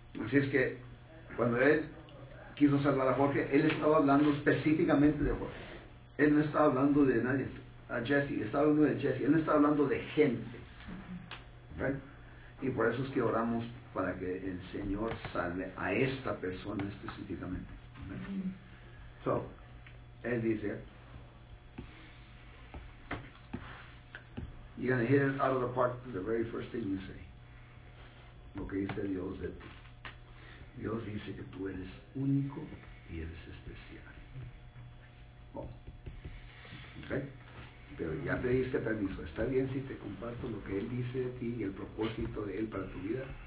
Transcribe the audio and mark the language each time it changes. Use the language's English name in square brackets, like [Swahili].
[Spanish] Así es que cuando él quiso salvar a Jorge, él estaba hablando específicamente de Jorge. Él no estaba hablando de nadie, a Jesse, estaba hablando de Jesse, él no estaba hablando de gente. ¿Vale? Y por eso es que oramos para que el Señor salve a esta persona específicamente. ¿Vale? [English] So, [Spanish] él dice, [English] you're gonna hit it out of the park the very first thing you say. [Spanish] Lo que dice Dios de ti. Dios dice que tú eres único y eres especial. Oh. ¿Okay? Pero ya pediste permiso. ¿Está bien si te comparto lo que Él dice de ti y el propósito de Él para tu vida?